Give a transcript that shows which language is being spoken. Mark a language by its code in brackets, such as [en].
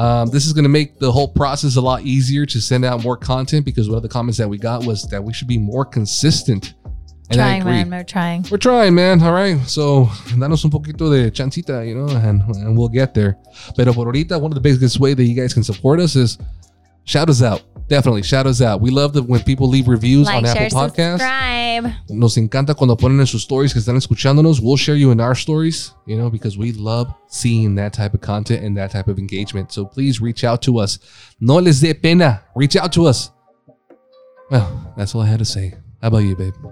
[en] This is going to make the whole process a lot easier to send out more content because one of the comments that we got was that we should be more consistent. And trying, man. We're trying. We're trying, man. All right. So, [es] danos un poquito de chancita, [en] you know, and we'll get there. [es] Pero por ahorita, [en] one of the biggest ways that you guys can support us is shout us out. Definitely shout us out. We love that when people leave reviews like, on share, Apple Podcasts. Subscribe. [es] Nos encanta cuando ponen en sus stories que están escuchándonos. [en] We'll share you in our stories, you know, because we love seeing that type of content and that type of engagement. So please reach out to us. [es] No les dé pena. [en] Reach out to us. Well, that's all I had to say. How about you, babe?